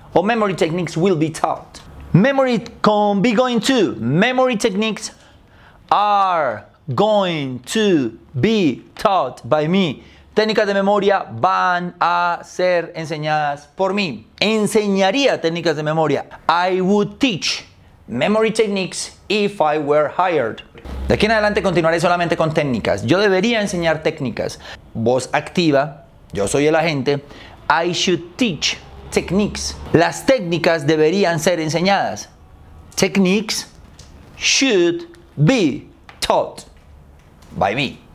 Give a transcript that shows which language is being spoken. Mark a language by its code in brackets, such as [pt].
[en] O memory techniques will be taught. Memory con be going to. Memory techniques are going to be taught by me. [es] Técnicas de memoria van a ser enseñadas por mí. Enseñaría técnicas de memoria. [en] I would teach memory techniques if I were hired. [es] De aquí en adelante continuaré solamente con técnicas. Yo debería enseñar técnicas. Voz activa. Yo soy el agente. [en] I should teach techniques. [es] Las técnicas deberían ser enseñadas. [en] Techniques should be taught by me.